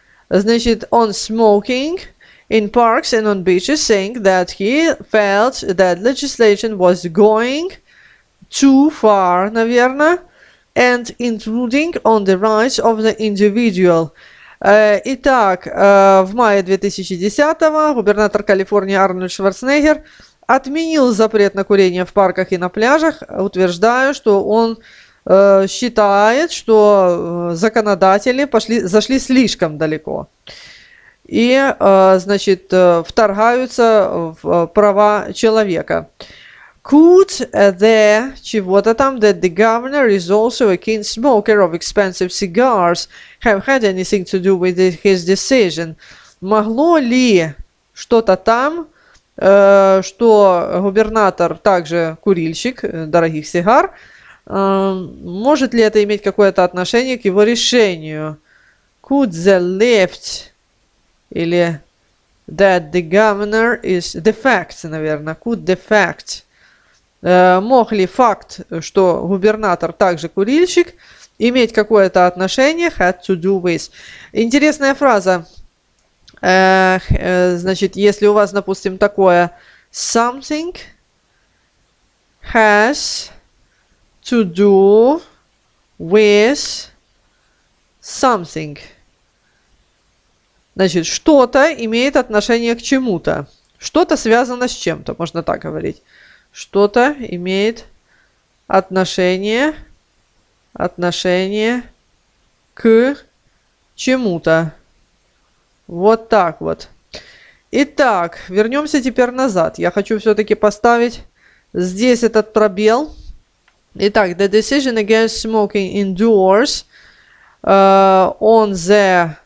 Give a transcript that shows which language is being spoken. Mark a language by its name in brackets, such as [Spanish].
[English] Значит, on smoking in parks and on beaches, saying that he felt that legislation was going too far, наверное, and intruding on the rights of the individual. [Russian] Итак, в мае 2010-го губернатор Калифорнии Арнольд Шварценеггер отменил запрет на курение в парках и на пляжах, утверждая, что он считает, что законодатели зашли слишком далеко и, значит, вторгаются в права человека. [English] Could the, [Russian] чего-то там, [English] that the governor is also a keen smoker of expensive cigars have had anything to do with his decision? [Russian] Могло ли что-то там, что губернатор также курильщик дорогих сигар, может ли это иметь какое-то отношение к его решению? [English] Could the lift или that the governor is the fact, наверное, could the fact. [Russian] Мог ли факт, что губернатор также курильщик, иметь какое-то отношение [English] had to do with? [Russian] Интересная фраза. Значит, если у вас, допустим, такое [English] something has to do with something. [Russian] Значит, что-то имеет отношение к чему-то. Что-то связано с чем-то, можно так говорить. Что-то имеет отношение к чему-то. Вот так вот. Итак, вернемся теперь назад. Я хочу все-таки поставить здесь этот пробел. Итак, [English] the decision against smoking indoors on the.